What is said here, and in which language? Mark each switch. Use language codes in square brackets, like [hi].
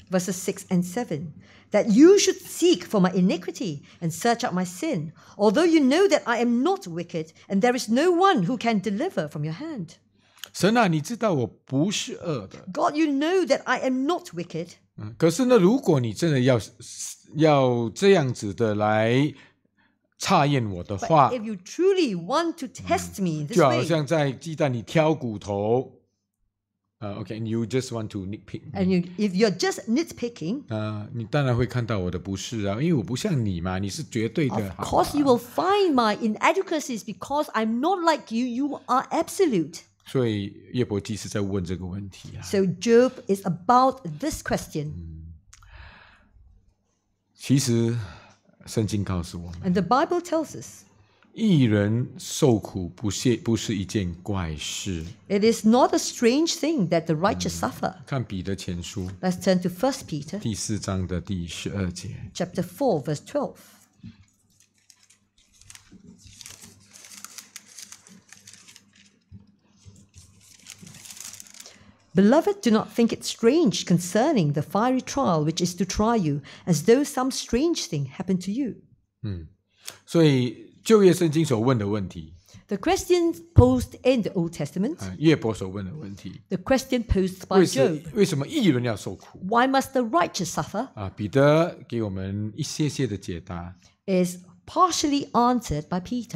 [en] verses 6 and 7, that you should seek for my iniquity and search out my sin, although you know that I am not wicked and there is no one who can deliver from your hand. [zh] 神啊，你知道我不是恶的。 [en] God, you know that I am not wicked. [zh] 可是呢，如果你真的要这样子的来查验我的话 [en] But if you truly want to test me this way, [zh] 就好像在鸡蛋里挑骨头。 [en] Okay, and you just want to nitpick me. And if you're just nitpicking, [zh] 你当然会看到我的不是啊，因为我不像你嘛，你是绝对的好。 [en] Of course, you will find my inadequacies because I'm not like you. You are absolute. [zh] 所以约伯记是在问这个问题啊。 [en] So Job is about this question. [zh] 其实圣经告诉我们 [en] ，And the Bible tells us. [zh] 义人受苦不是一件怪事。 [en] It is not a strange thing that the righteous suffer. [zh] 看彼得前书。 [en] Let's turn to 1 Peter. [zh] 第四章的第十二节。 [en] Chapter 4, verse 12. Beloved, do not think it strange concerning the fiery trial which is to try you, as though some strange thing happened to you. [zh] 所以旧约圣经所问的问题 [en] ，The question posed in the Old Testament， [zh] 约伯所问的问题 [en] ，The question posed by Job， [zh] 为什么义人要受苦 [en] ？Why must the righteous suffer？ [zh] 彼得给我们一些些的解答 [en] ，Is partially answered by Peter.